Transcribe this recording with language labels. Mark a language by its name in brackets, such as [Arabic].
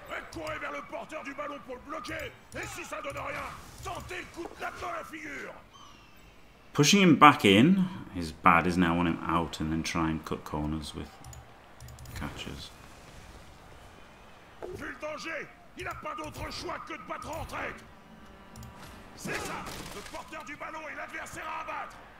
[French] Courez vers le porteur du ballon pour le bloquer. Et si ça donne rien, tentez le coup de la dans la figure. [English] Pushing him back in is bad, isn't it? I want him out and then try and cut corners with catches. [French] Vu le danger, il n'a pas d'autre choix que de battre en retraite. C'est ça, le porteur du ballon et l'adversaire à abattre.